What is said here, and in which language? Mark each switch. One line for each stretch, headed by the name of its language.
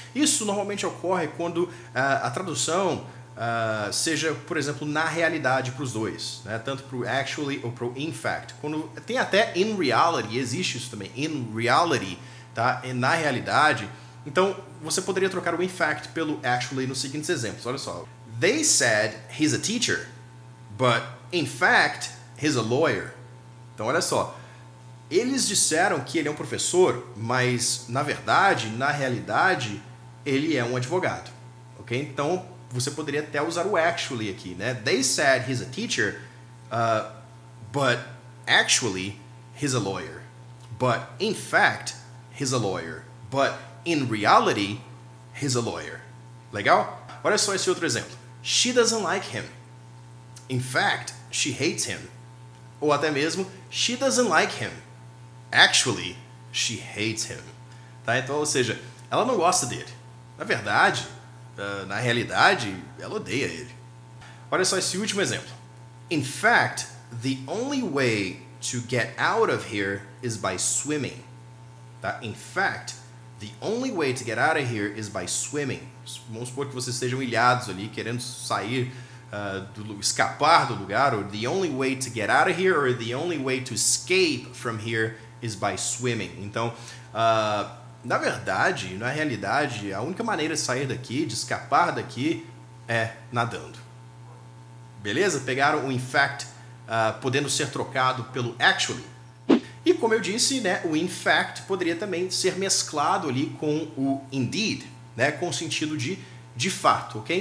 Portuguese: Isso normalmente ocorre quando a tradução seja, por exemplo, na realidade para os dois, né? Tanto para o actually ou para o in fact. Quando tem até in reality, existe isso também, in reality, tá? E na realidade. Então, você poderia trocar o in fact pelo actually nos seguintes exemplos. Olha só.
English: They said he's a teacher, but in fact, he's a lawyer.
Portuguese: Então, olha só. Eles disseram que ele é um professor, mas, na verdade, na realidade, ele é um advogado. Ok? Então, você poderia até usar o actually aqui, né?
English: They said he's a teacher, but actually he's a lawyer. But in fact, he's a lawyer. But in reality, he's a lawyer.
Portuguese: Legal? Olha só esse outro exemplo.
English: She doesn't like him. In fact, she hates him.
Portuguese: Ou até mesmo,
English: she doesn't like him. Actually, she hates him.
Portuguese: Tá? Então, ou seja, ela não gosta dele. Na verdade, na realidade, ela odeia ele. Olha só esse último exemplo.
English: In fact, the only way to get out of here is by swimming.
Portuguese: Tá?
English: In fact, the only way to get out of here is by swimming.
Portuguese: Vamos supor que vocês estejam ilhados ali, querendo sair, escapar do lugar.
English: Or the only way to get out of here, or the only way to escape from here is by swimming.
Portuguese: Então, na verdade, na realidade, a única maneira de sair daqui, de escapar daqui, é nadando. Beleza? Pegaram o in fact podendo ser trocado pelo actually. E como eu disse, né, o in fact poderia também ser mesclado ali com o indeed, né, com o sentido de fato, ok?